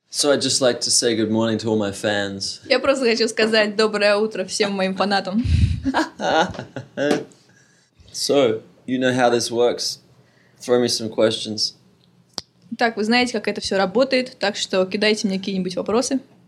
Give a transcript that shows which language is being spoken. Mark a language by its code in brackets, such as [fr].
[en] So I'd just like to say good morning to all my fans. [ru] Я просто хочу сказать доброе утро всем моим фанатам. [en] So, you know how this works. Throw me some questions. [ru] Так, вы знаете, как это все работает, так что кидайте мне какие-нибудь вопросы.